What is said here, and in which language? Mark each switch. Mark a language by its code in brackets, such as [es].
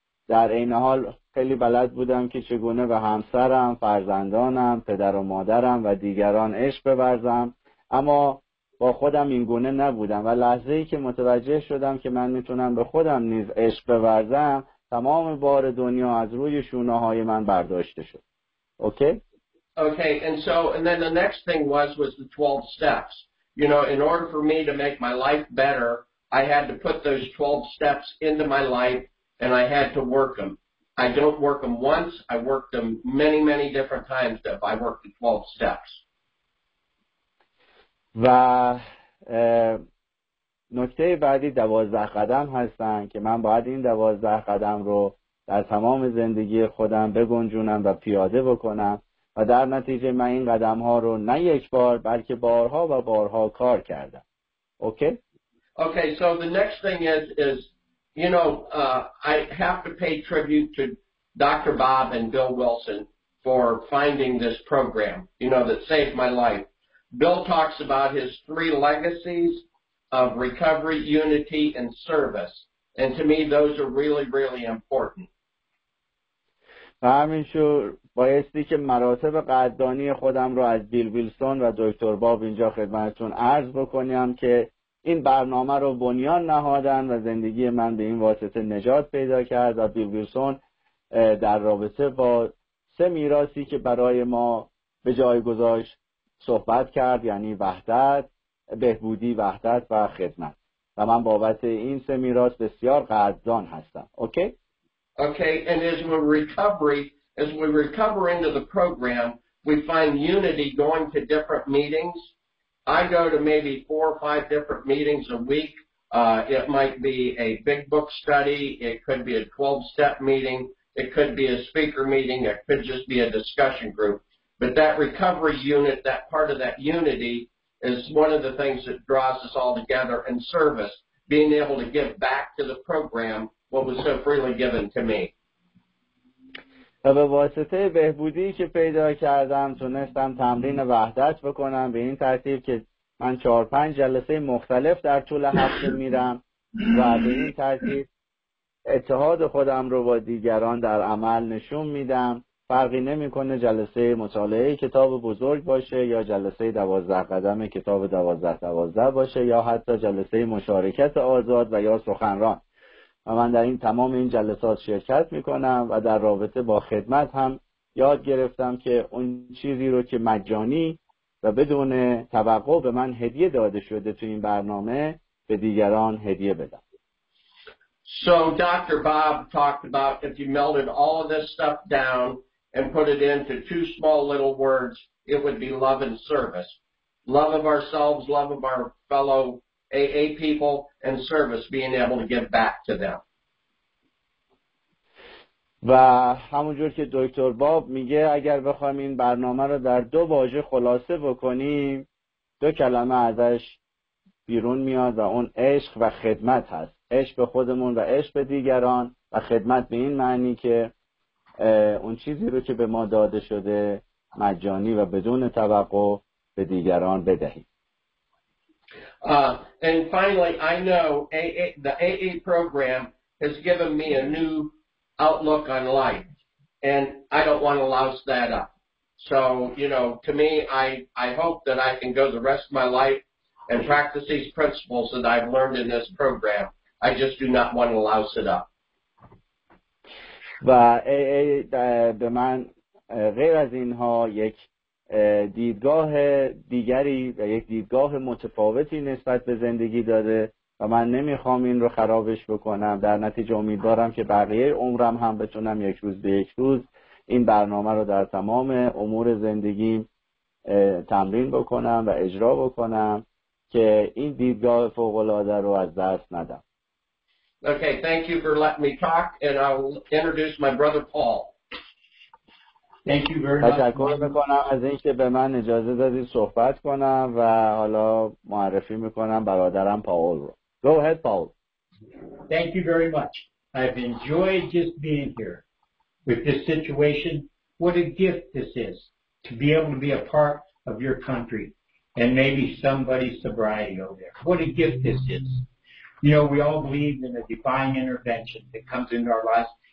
[fa] در این حال خیلی بلد بودم که چگونه به همسرم، فرزندانم، پدر و مادرم و دیگران عشق ببرزم، اما با خودم این گونه نبودم. و لحظه ای که متوجه شدم که من میتونم به خودم نیز عشق ببرزم، تمام بار دنیا از روی شونه های من برداشته شد. [en] Okay? Okay, and so, and then the next thing was the 12 steps. You know, in order for me to make my life better, I had to put those 12 steps into my life, and I had to work them. I don't work them once, I work them many, many different times if I work the 12 steps. [fa] و نکته بعدی 12 قدم هستن که من باید این 12 قدم رو در تمام زندگی خودم بگنجونم و پیاده بکنم. و در نتیجه من این قدم ها رو نه یک بار بلکه بارها و بارها کار کردم. [en] Okay, so the next thing is you know, I have to pay tribute to Dr. Bob and Bill Wilson for finding this program, you know, that saved my life. Bill talks about his three legacies of recovery, unity, and service. And to me, those are really, really important. [fa] و همینشور بایستی که مراتب قدردانی خودم رو از بیل ویلسون و دکتر باب اینجا خدمتتون عرض بکنیم که این برنامه رو بنیان نهادن و زندگی من به این واسطه نجات پیدا کرد. و بیل ویلسون در رابطه با سه میراثی که برای ما به جای گذاشت صحبت کرد، یعنی وحدت، بهبودی، وحدت و خدمت، و من بابت این سه میراث بسیار قدردان هستم. [en] Okay? Okay, and as we recover into the program, we find unity going to different meetings. I go to maybe four or five different meetings a week. It might be a big book study. It could be a 12-step meeting. It could be a speaker meeting. It could just be a discussion group. But that recovery unit, that part of that unity, is one of the things that draws us all together in service, being able to give back to the program what was so freely given to me. [fa] به واسطه بهبودی که پیدا کردم تونستم تمرین وحدت بکنم. به این ترتیب که من 4-5 جلسه مختلف در طول هفته میرم و به این ترتیب اتحاد خودم رو با دیگران در عمل نشون میدم. فرقی نمی کنه جلسه مطالعه کتاب بزرگ باشه یا جلسه 12 قدم کتاب 12-12 باشه یا حتی جلسه مشارکت آزاد و یا سخنران. و من در این تمام این جلسات شرکت میکنم و در رابطه با خدمت هم یاد گرفتم که اون چیزی رو که مجانی و بدون توقع به من هدیه داده شده تو این برنامه به دیگران هدیه بدم. [en] So Dr. Bob talked about if you melted all of this stuff down and put it into two small little words, it would be love and service. Love of ourselves, love of our fellow AA people, and service, being able to give back to them. [fa] و همونجور که دکتر باب میگه اگر بخوایم این برنامه رو در دو واژه خلاصه بکنیم دو کلمه ازش بیرون میاد و اون عشق و خدمت هست. عشق به خودمون و عشق به دیگران و خدمت به این معنی که اون چیزی رو که به ما داده شده مجانی و بدون توقع به دیگران بدهیم. [en] And finally, I know AA, the AA program has given me a new outlook on life, and I don't want to louse that up. So, you know, to me, I hope that I can go the rest of my life and practice these principles that I've learned in this program. I just do not want to louse it up. [fa] و AA به من غیر از اینها یک دیدگاه دیگری و یک دیدگاه متفاوتی نسبت به زندگی داده و من نمیخوام این رو خرابش بکنم. در نتیجه امیدوارم که بقیه عمرم هم بتونم یک روز به یک روز این برنامه رو در تمام امور زندگیم تمرین بکنم و اجرا بکنم که این دیدگاه فوق‌العاده رو از دست ندم. [en] Okay, thank you for letting me talk, and I'll introduce my brother Paul. Thank you very much. [fa] تشکر میکنم از اینکه به من اجازه دادید صحبت کنم و حالا معرفی میکنم برادرم پاول رو. [en] Go ahead, Paul. Thank you very much. I've enjoyed just being here with this situation. What a gift this is to be able to be a part of your country and maybe somebody's sobriety over there. What a gift this is. You know, we all believe in a divine intervention that comes into our lives.